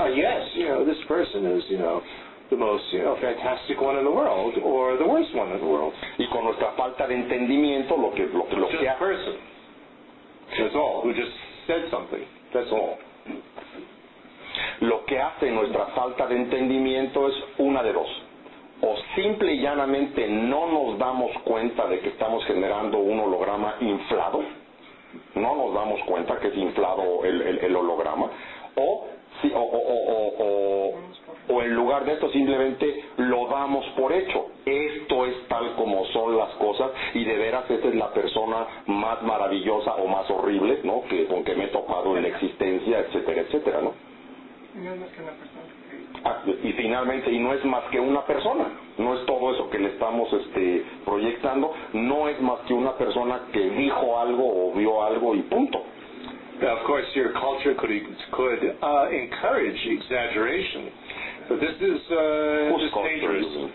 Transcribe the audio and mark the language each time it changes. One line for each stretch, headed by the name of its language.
English: Yes, you know, this person is, you know, the most, you know, fantastic one in the world, or the worst one in the world.
Spanish: Y con nuestra falta de entendimiento, lo que
English: just a person. That's all. Who just said something. That's all.
Spanish: Lo que hace nuestra falta de entendimiento es una de dos. O simple y llanamente no nos damos cuenta de que estamos generando un holograma inflado. No nos damos cuenta que es inflado el holograma. O en lugar de esto simplemente lo damos por hecho. Esto es tal como son las cosas y de veras esta es la persona más maravillosa o más horrible, ¿no? Que con que me he topado en la existencia, etcétera, etcétera, ¿no? Y finalmente, y no es más que una persona, no es todo eso que le estamos proyectando, no es más que una persona que dijo algo o vio algo y punto.
English: Now, of course, your culture could encourage exaggeration, but this is just dangerous.